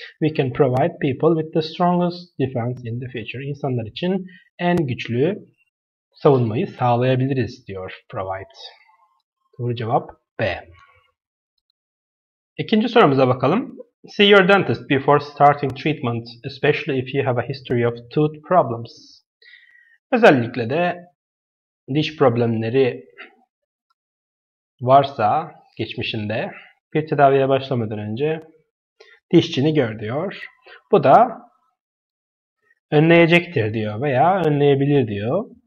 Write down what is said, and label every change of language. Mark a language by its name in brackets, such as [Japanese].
[English] We can provide people with the strongest defense in the future. [Turkish] İnsanlar için en güçlü savunmayı sağlayabiliriz diyor provide. Doğru cevap B. İkinci sorumuza bakalım. [English] See your dentist before starting treatment, especially if you have a history of tooth problems. [Turkish] Özellikle de diş problemleri varsa geçmişinde bir tedaviye başlamadan önce dişçini gör diyor. Bu da önleyecektir diyor veya önleyebilir diyor.